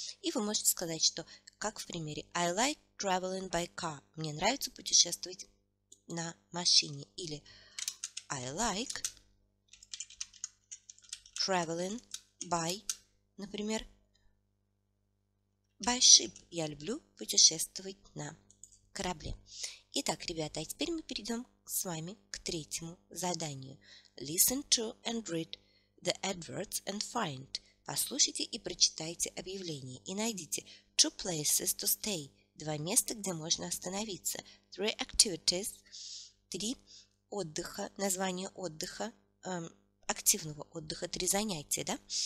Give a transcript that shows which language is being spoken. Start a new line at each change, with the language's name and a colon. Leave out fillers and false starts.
Russian: И вы можете сказать, что, как в примере
English: «I like traveling by car»
Russian: – «мне нравится путешествовать на машине» или
English: «I like traveling by»,
Russian: например,
English: by ship.
Russian: Я люблю путешествовать на корабле. Итак, ребята, а теперь мы перейдем с вами к третьему заданию.
English: Listen to and read the adverts and find.
Russian: Послушайте и прочитайте объявление. И найдите
English: two places to stay.
Russian: Два места, где можно остановиться.
English: Three activities.
Russian: Три отдыха. Название отдыха. Активного отдыха. Три занятия, да?